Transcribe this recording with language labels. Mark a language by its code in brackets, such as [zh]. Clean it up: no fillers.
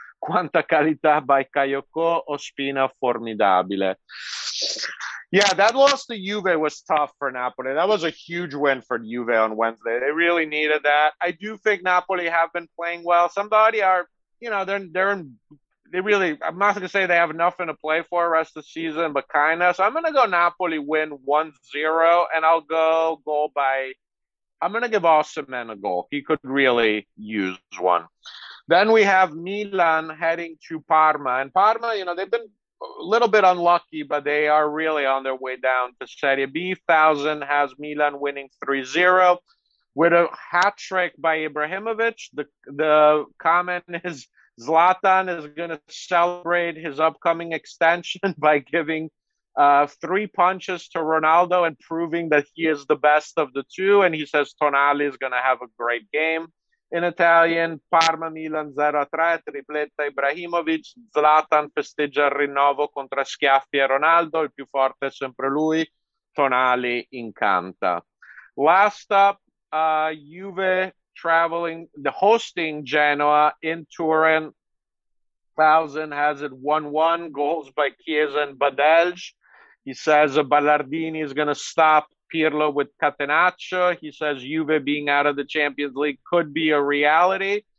[it] Quanta qualità by Kayoko, Ospina formidabile. [en] Yeah, that loss to Juve was tough for Napoli. That was a huge win for Juve on Wednesday. They really needed that. I do think Napoli have been playing well. Somebody are, you know, they're I'm not going to say they have nothing to play for the rest of the season, but kind of. So I'm going to go Napoli win 1-0, and I'll go goal by – I'm going to give Osimhen a goal. He could really use one. Then we have Milan heading to Parma. And Parma, you know, they've been a little bit unlucky, but they are really on their way down to Serie B. 1,000 has Milan winning 3-0 with a hat trick by Ibrahimovic. The comment is Zlatan is going to celebrate his upcoming extension by giving three punches to Ronaldo and proving that he is the best of the two. And he says Tonali is going to have a great game. In Italian, [it] Parma Milan 0-3, tripletta Ibrahimovic, Zlatan festeggia il rinnovo contro Schiaffi e Ronaldo, il più forte è sempre lui, Tonali incanta. [en] Last up, Juve traveling, the hosting Genoa in Turin, 1,000 has it 1-1, goals by Chiesa and Badelj. He says Ballardini is going to stop Pirlo with Catenaccio. He says Juve being out of the Champions League could be a reality.